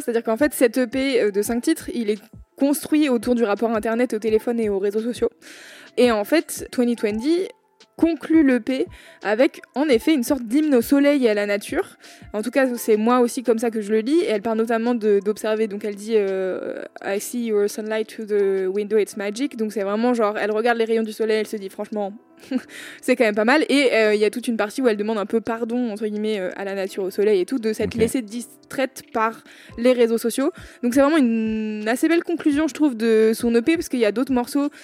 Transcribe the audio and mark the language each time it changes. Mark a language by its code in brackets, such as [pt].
[fr] C'est-à-dire qu'en fait, cet EP de 5 titres, il est construit autour du rapport internet, au téléphone et aux réseaux sociaux. Et en fait, 2020 conclut l'EP avec en effet une sorte d'hymne au soleil et à la nature. En tout cas, c'est moi aussi comme ça que je le lis. Et elle parle notamment d'observer. Donc elle dit [en] I see your sunlight through the window, it's magic. [fr] Donc c'est vraiment genre, elle regarde les rayons du soleil, elle se dit franchement, c'est quand même pas mal. Et il y a toute une partie où elle demande un peu pardon, entre guillemets, à la nature, au soleil et tout, de s'être laissée distraite par les réseaux sociaux. Donc c'est vraiment une assez belle conclusion, je trouve, de son EP, parce qu'il y a d'autres morceaux.